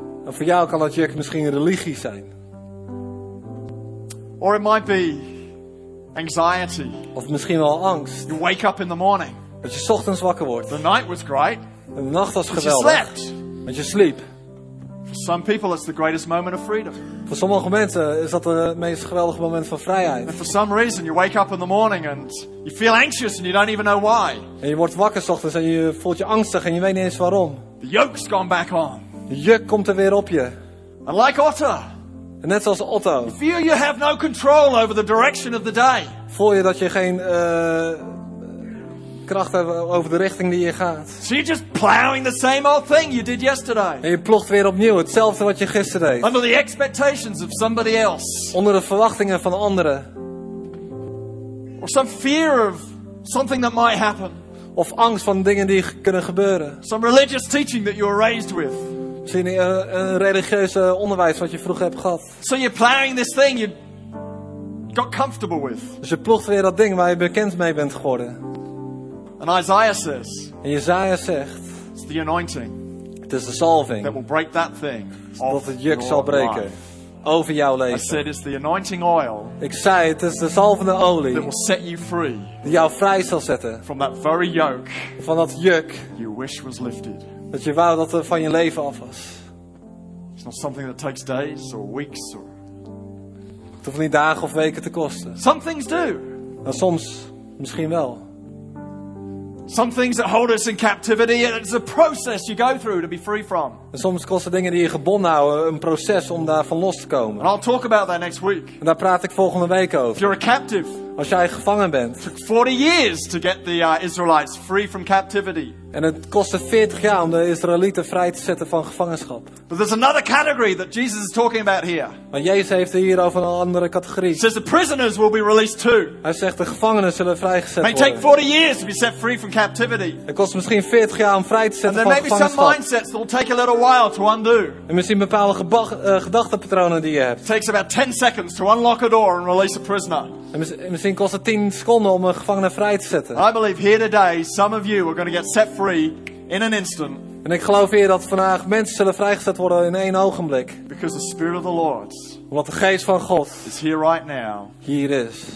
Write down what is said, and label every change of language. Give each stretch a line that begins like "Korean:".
Dutch: En voor jou kan dat juk misschien religie zijn.
English: Or it might be anxiety.
Dutch: Of misschien wel angst.
English: You wake up in the morning.
Dutch: Dat je 's ochtends wakker wordt.
English: The night was great.
Dutch: En de nacht was geweldig.
English: You slept.
Dutch: Want je sliep.
English: For some people it's the greatest moment of freedom.
Dutch: Voor sommige mensen is dat het meest geweldige moment van vrijheid.
English: And for some reason you wake up in the morning and you feel anxious and you don't even know why.
Dutch: En je wordt wakker 's ochtends en je voelt je angstig en je weet niet eens waarom.
English: The yoke's gone back on.
Dutch: De juk komt er weer op je.
English: And like Otter.
Dutch: En net zoals Otto.
English: You feel you have no control over the direction of the day.
Dutch: Voel je dat je geen kracht hebt over de richting die je gaat.
English: So you're just plowing the same old thing you did yesterday.
Dutch: En je ploegt weer opnieuw hetzelfde wat je gisteren deed.
English: Under the expectations of somebody else.
Dutch: Onder de verwachtingen van anderen.
English: Or some fear of something that might happen.
Dutch: Of angst van dingen die kunnen gebeuren.
English: Some religious teaching that you were raised with.
Dutch: Misschien een religieuze onderwijs wat je vroeger hebt gehad.
English: So you're plowing this thing you got comfortable with.
Dutch: Dus je ploegt weer dat ding waar je bekend mee bent geworden.
English: And Isaiah says,
Dutch: en Isaiah zegt.
English: It's the anointing.
Dutch: Het is de salving.
English: That will break that thing.
Dutch: Dat het juk zal breken.
English: Life.
Dutch: Over jouw leven.
English: I said, it's the anointing oil.
Dutch: Ik zei het is de zalvende olie.
English: That will set you free.
Dutch: Die jou vrij zal zetten.
English: From that very yoke.
Dutch: Van dat juk.
English: You wish was lifted.
Dutch: Dat je wou dat er van je leven af was.
English: It's not something that takes days or weeks or...
Dutch: Het hoeft niet dagen of weken te kosten.
English: Some things do.
Dutch: Maar soms misschien wel.
English: Some things that hold us in captivity, it's a process you go through to be free from.
Dutch: En soms kosten dingen die je gebonden houden een proces om daarvan los te komen.
English: And I'll talk about that next week.
Dutch: En daar praat ik volgende week over.
English: If you're a captive.
Dutch: Als jij gevangen bent.
English: It took 40 years to get the Israelites free from captivity.
Dutch: En het kostte 40 jaar om de Israëlieten vrij te zetten van gevangenschap.
English: But there's another category that Jesus is talking about here.
Dutch: Maar Jezus heeft het hier over een andere categorie.
English: He says the prisoners will be released too.
Dutch: Hij zegt de gevangenen zullen vrijgezet worden.
English: May take 40 years to be set free from captivity.
Dutch: Het kost misschien 40 jaar om vrij te zetten van gevangenschap.
English: And there may be some mindsets that will take a little while to undo.
Dutch: En misschien bepaalde gedachtenpatronen die je hebt.
English: It takes about 10 seconds to unlock a door and release a prisoner.
Dutch: En misschien kost het 10 seconden om een gevangene vrij te zetten.
English: I believe here today some of you are going to get set free in an instant.
Dutch: En ik geloof hier dat vandaag mensen zullen vrijgezet worden in één ogenblik.
English: Because the Spirit of the Lord
Dutch: Omdat de Geest van God
English: is here right now,
Dutch: hier is.